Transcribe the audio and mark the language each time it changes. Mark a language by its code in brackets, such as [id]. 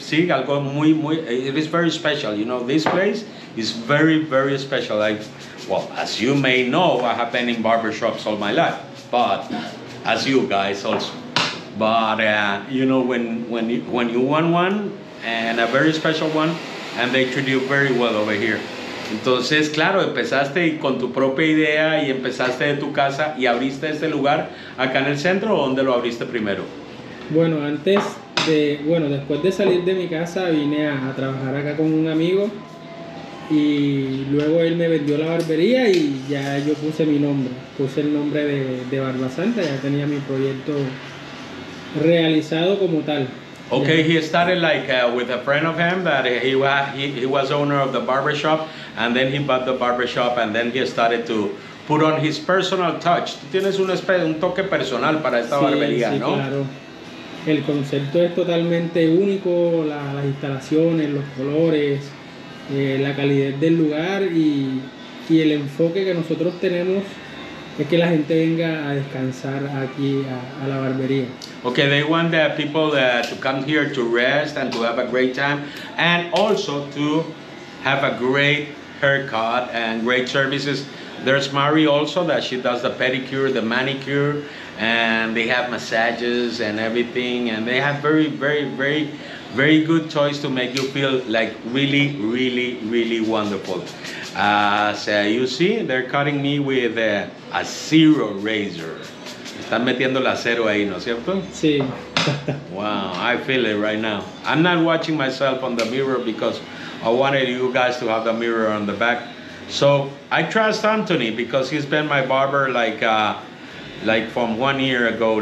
[es] Sí, algo muy, muy, [en] it is very special. You know, this place is very, very special. Like, well, as you may know, I have been in barbershops all my life. But as you guys also. But you know, when you want one and a very special one, and they treat you very well over here. [es] Entonces, claro, empezaste con tu propia idea y empezaste de tu casa y abriste este lugar acá en el centro. ¿O dónde lo abriste primero? Bueno, antes de bueno, después de salir de mi casa, vine a trabajar acá con un amigo y luego él me vendió la barbería y ya yo puse mi nombre, puse el nombre de BarbaSanta. Ya tenía mi proyecto realizado como tal. [en] Okay, yeah. He started like with a friend of him that he was owner of the barbershop, and then he bought the barbershop, and then he started to put on his personal touch. [es] Tú tienes un toque personal para esta sí, barbería, sí, ¿no? Sí, claro. El concepto es totalmente único, las instalaciones, los colores, la calidez del lugar y el enfoque que nosotros tenemos es que la gente venga a descansar aquí a la barbería. [en] Okay, they want the people to come here to rest and to have a great time and also to have a great haircut and great services. There's Mari also, that she does the pedicure, the manicure, and they have massages and everything, and they have very, very, very, very good toys to make you feel like really, really, really wonderful. So you see, they're cutting me with a zero razor. [es] Están metiendo el acero ahí, ¿no es cierto? Sí. [en] Wow, I feel it right now. I'm not watching myself on the mirror because I wanted you guys to have the mirror on the back. So I trust Anthony because he's been my barber like from 1 year ago.